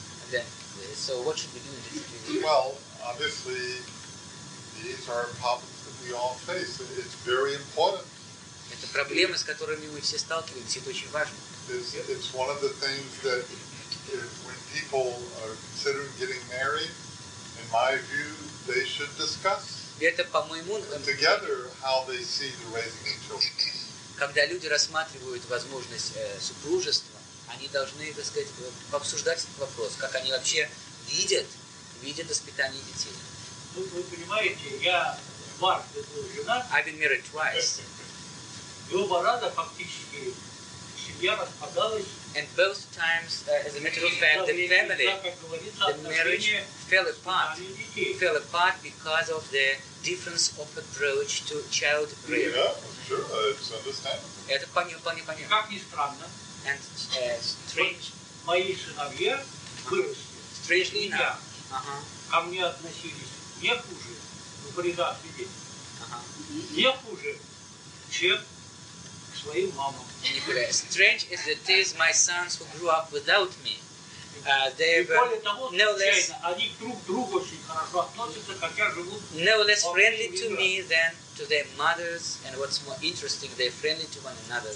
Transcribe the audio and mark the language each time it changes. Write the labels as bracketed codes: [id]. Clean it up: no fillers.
[en] Then, so what should we do in this situation? Well, obviously, these are problems that we all face. It's very important. [ru] Это проблемы, с которыми мы все сталкиваемся. Это очень важно. [en] It's one of the things that if, when people are considering getting married, in my view, they should discuss. [ru] Это, по-моему, [en] together how they see the raising of children. [ru] Когда люди рассматривают возможность супружества, они должны, так сказать, обсуждать этот вопрос, как они вообще видят воспитание детей. Ну, вы понимаете, я дважды был женат. [en] I've been married twice. [ru] И оба раза фактически семья распадалась. [en] And both times, as a matter of fact, the family, the marriage fell apart because of the difference of approach to child rearing. Yeah, sure, it's understandable. [ru] Это понятно. Как ни странно. [en] And strange. [ru] Мои сыновья выросли. [en] Strangely enough. [ru] Ко мне относились не хуже, ну, придав видеть, не хуже, чем к своим мамам. [en] Strange as it is, my sons who grew up without me, they were no less friendly to me than to their mothers, and what's more interesting, they're friendly to one another.